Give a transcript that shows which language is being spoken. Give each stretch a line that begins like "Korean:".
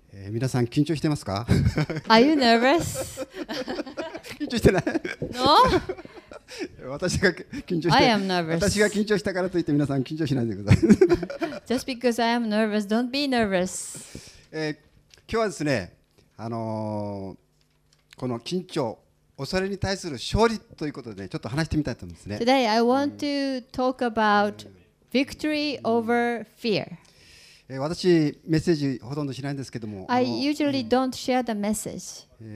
Japanese: 皆さん緊張してますか？
English: Are you nervous?
Japanese: 緊張してない？
English: No?
Japanese: 私が緊張して、
English: I am nervous.
Japanese: 私が緊張したからといって皆さん緊張しないでください。
English: Just because I am nervous, don't be nervous.
Japanese: 今日はですね、この緊張、恐れに対する勝利ということでちょっと話してみたいと思うんですね。
English: Today I want to talk about victory over fear.
Japanese: 私メッセージほとんどしないんですけども、
English: I usually don't share the message.